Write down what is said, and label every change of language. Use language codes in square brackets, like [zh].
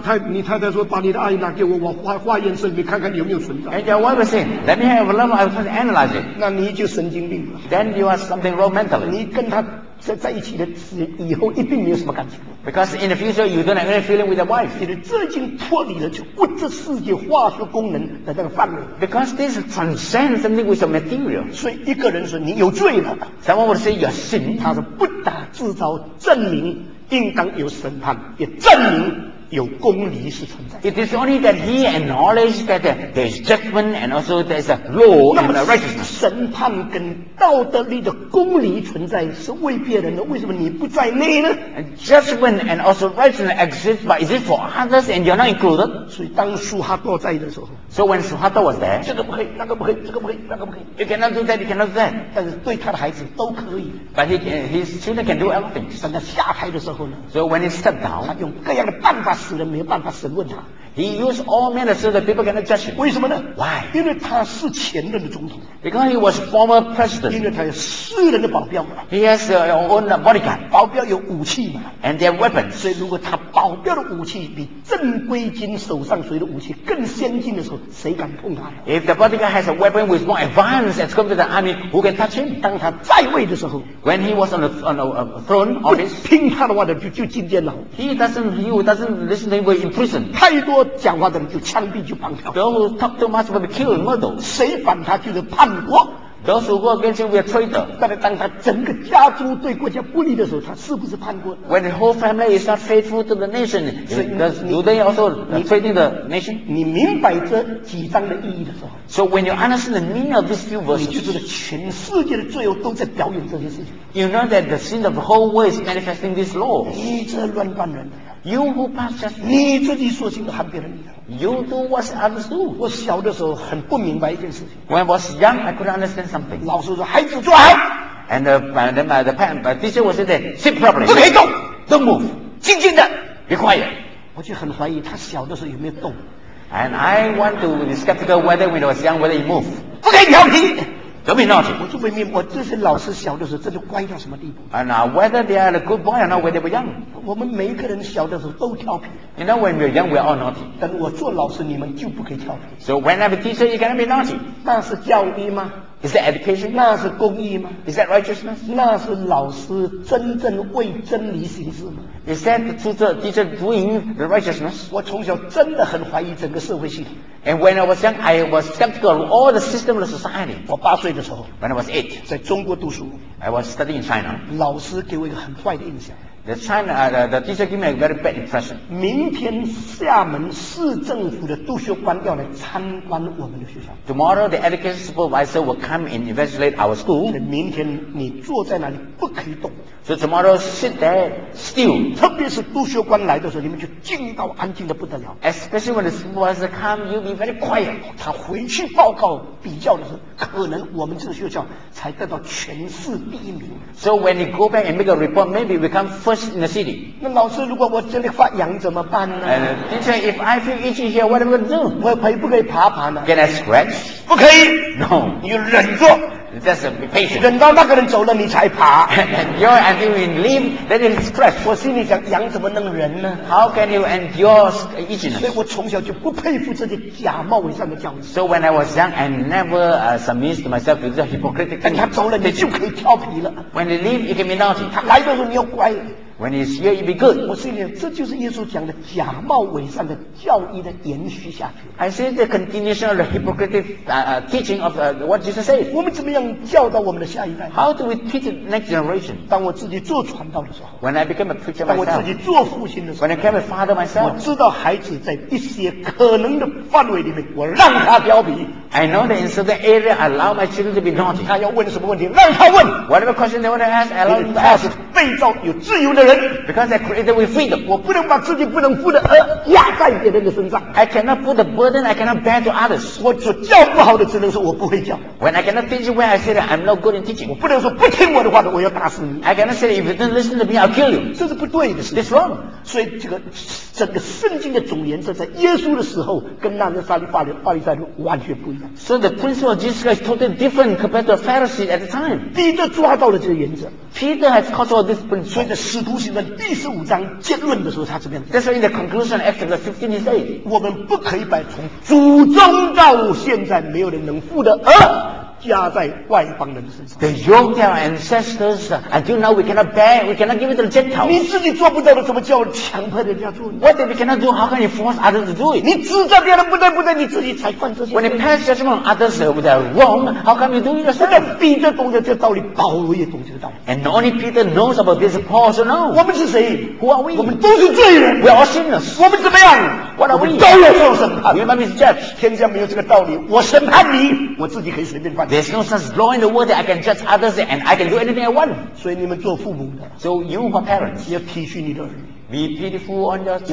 [zh] 你太太说把你的爱拿给我我化验室里面看看有没有存在 [en] and your wife will say let me have a love I will analyze it [zh] 那你就神经病了 [en] then you are something wrong mentally [zh] 跟他在一起的以后一定没有什么感情 [en] Because in the future you don't have any feeling with your wife [zh] 其实这已经脱离了就物质世界化学功能的那个范围 [en] Because this transcends something with your material [zh] 所以一个人说你有罪了 [en] Someone would say you are sin [zh] 他说不打自招证明应当有审判也证明有公理是存在的 [en] It is only that he acknowledged that there is judgment and also there is a law and a righteousness [zh] 审判跟道德里的公理存在是为别人的为什么你不在内呢 [en] Judgment and also righteousness exist but is it for others and you are not included [zh] 所以当苏哈多在的时候 [en] So when 苏哈多 was there [zh] 这个不可以那个不可以这个不可以那个不可以 [en] You cannot do that you cannot do that [zh] 但是对他的孩子都可以 [en] But his children can do everything [zh] 但他下台的时候呢 [en] So when he stepped down [zh] 他用各样的办法死人没办法审问他 [en] He used all manner so that people cannot judge him [zh] 为什么呢 [en] Why [zh] 因为他是前任的总统 [en] Because he was former president [zh] 因为他有私人的保镖 [en] He has own bodyguard [zh] 保镖有武器嘛 [en] And their weapons [zh] 所以如果他保镖的武器比正规军手上谁的武器更先进的时候谁敢碰他 [en] If the bodyguard has a weapon with more advanced as compared to the army who can touch him [zh] 当他在位的时候 [en] When he was on a throne office [zh] 不听他的话的就进监牢 [en] He doesn't listen to him in prison [zh] 太多讲话的人就枪毙就绑票 [en] Those who talk too much will be killed and murdered [zh] 谁反他就是叛国德属国 [en] against you, we are traitor. [zh] 但是当他整个家族对国家不利的时候，他是不是叛国？ [en] When the whole family is not faithful to the nation, do they also traiting the nation? [zh] 你明白这几章的意义的时候， [en] So when you understand the meaning of these few verses, [zh] 你就知道全世界的罪恶都在表演这些事情。 [en] You know that the sin of the whole world is manifesting these laws. [zh] 你这乱断人。 [en] You who pass just [zh] 你自己说清楚，还别人。 [en] You do what others do. [zh] 我小的时候很不明白一件事情。 [en] When I was young, I couldn't understand something. [zh] 老师说孩子坐好。 [en] And the parent, the teacher was there, sit properly. [zh] 不可以动 [en] ，Don't move. [zh] 静静的 [en] ，Be quiet. [zh] 我就很怀疑他小的时候有没有动。 [en] And I want to be skeptical whether when I was young whether he moved. [zh] 不可以调皮。 [en] Don't be naughty. [zh] 我就不明白，我这些老师小的时候真的乖到什么地步 [en] ？And whether they are a good boy or not, whether they were young. [zh] 我们每一个人小的时候都调皮。 [en] You know when we are young, we are all naughty. [zh] 但我做老师，你们就不可以调皮。 [en] So when I'm a teacher, you cannot be naughty. [zh] 那是教育吗 [en] ？Is that education? [zh] 那是公义吗 [en] ？Is that righteousness? [zh] 那是老师真正为真理行事吗 [en] ？Is that the teacher doing the righteousness? [zh] 我从小真的很怀疑整个社会系统。 [en] And when I was young, I was skeptical of all the system of the society. [zh] 我八岁的时候 [en] ，When I was eight, [zh] 在中国读书 [en] ，I was studying in China. [zh] 老师给我一个很坏的印象。 [en] The teacher gave me a very bad impression. [zh] 明天厦门市政府的督学官要来参观我们的学校。 [en] Tomorrow, the education supervisor will come and investigate our school. [zh] 明天你坐在那里不可以动。 [en] So tomorrow, sit there still. [zh] 特别是督学官来的时候，你们就静到安静的不得了。 [en] Especially when the supervisor comes, you'll be very quiet. [zh] 他回去报告比较的时候，可能我们这个学校才得到全市第一名。 [en] So when you go back and make a report, maybe we come first in the city. [zh] 那老师，如果我真的发痒怎么办呢 [en] ？Teacher, if I feel itchy here, what am I going to do? [zh] 我可以不可以爬爬呢 [en] ？Can I scratch? [zh] 不可以。 [en] No. [zh] 你忍住。 [en] That's a patient. [zh] 忍到那个人走了，你才爬。 [en] And you're until you leave, then you scratch. [zh] 我心里想，痒怎么能忍呢 [en] ？How can you endure itchiness? [zh] 所以我从小就不佩服这些假冒伪善的教育。 [en] So when I was young, I never submitted myself to the hypocritical teaching. [zh] 等他走了，你就可以调皮了。 [en] When you leave, you can be naughty. [zh] 他来的时候，你要乖。 [en] When he's here, he'll be good. [zh] 我心里想，这就是耶稣讲的假冒伪善的教义的延续下去。 [en] I see the continuation of the hypocritical teaching of what Jesus said. [zh] 我们怎么样教导我们的下一代 [en] ？How do we teach the next generation? [zh] 当我自己做传道的时候 [en] ，When I became a preacher myself. [zh] 当我自己做父亲的时候 [en] ，When I became a father myself. [zh] 我知道孩子在一些可能的范围里面，我让他调皮。 [en] I know that in certain area, I allow my children to be naughty. [zh] 他要问什么问题，让他问。 [en] Whatever question they want to ask, I allow them to ask. [zh] 是被造有自由的人。 [en] Because I created with freedom. [zh] 我不能把自己不能负的轭压在别人的身上。 [en] I cannot put the burden I cannot bear to others. [zh] 我所教不好的只能说我不会教。 [en] When I cannot teach you well, I say that I'm not good in teaching. [zh] 我不能说不听我的话的我要打死你。 [en] I cannot say that if you don't listen to me, I'll kill you. [zh] 这是不对的事。 [en] It's wrong. [zh] 所以这个整个圣经的总言之，在耶稣的时候跟那些法利赛人完全不一样。 [en] So the principle of Jesus Christ is totally different compared to the Pharisees at the time. [zh] 彼得抓到了这个原则。 [en] Peter has caught all this principle. [zh] 所以在使徒行传第十五章结论的时候，他怎么样？ [en] That's why in the conclusion of Acts 15 he says, [zh] 我们不可以把从祖宗到现在没有人能负的轭压在外邦人身上。 [en] The yoke of our ancestors until now we cannot bear, we cannot give it to the Gentiles. [zh] 你自己做不到的，怎么叫强迫人家做 [en] ？What if we cannot do? How can you force others to do it? [zh] 你知道别人不对不对，你自己才犯这些。 [en] When you pass judgment on others if they are wrong, how come you do it yourself? [zh] 但彼得懂得这道理，保罗也懂这个道理。 [en] And only Peter knows about this, Paul also knows. [zh] 我们是谁 [en] ？Who are we? [zh] 我们都是罪人。 [en] We are all sinners. [zh] 我们怎么样 [en] ？What are we? [zh] 都要受审判。 [en] You must be judged. [zh] 天下没有这个道理，我审判你，我自己可以随便犯。 [en] There's no such law in the world that I can judge others and I can do anything I want. [zh] 所以你们做父母的 [en] ，So you are parents, [zh] 要体恤你的儿女。 [en] Be pitiful on your children.